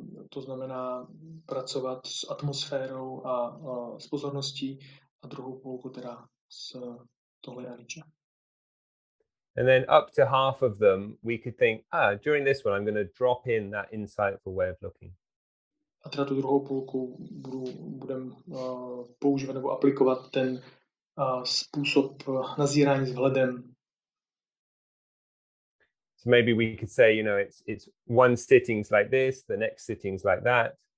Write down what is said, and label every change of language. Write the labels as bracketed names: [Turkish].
[Czech] To znamená pracovat s atmosférou a s pozorností a druhou půlku teda s tohle anicca. [English] And then up to half of them, we could think, during this one, I'm going to drop in that insightful way of looking. [Czech] A teda tu druhou půlku budem používat nebo aplikovat ten způsob nazírání s vhledem. [English] So maybe we could say, you know, it's one sitting's like this, the next sitting's like that.